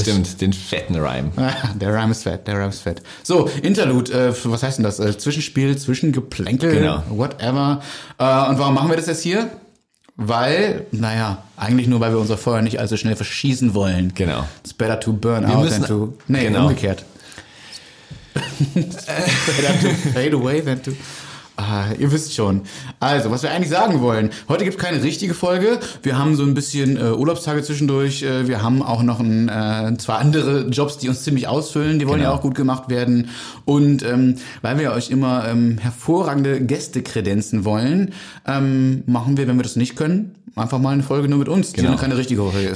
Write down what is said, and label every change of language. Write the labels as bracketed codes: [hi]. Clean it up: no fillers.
[de] Stimmt, den fetten Rhyme. Der Rhyme ist fett. So, Interlude, was heißt denn das? Zwischenspiel, Zwischengeplänkel, Genau. Whatever. Und warum machen wir das jetzt hier? Weil, eigentlich nur, weil wir unser Feuer nicht allzu schnell verschießen wollen. Genau. [en] It's better to burn wir out müssen, than to... [de] Nee, genau. Umgekehrt. [en] It's better to fade away than to... [de] ihr wisst schon. Also, was wir eigentlich sagen wollen. Heute gibt es keine richtige Folge. Wir haben so ein bisschen Urlaubstage zwischendurch. Wir haben auch noch zwei andere Jobs, die uns ziemlich ausfüllen. Die wollen ja auch gut gemacht werden. Und weil wir euch immer hervorragende Gäste kredenzen wollen, machen wir, wenn wir das nicht können, einfach mal eine Folge nur mit uns, die noch keine richtige Folge ist.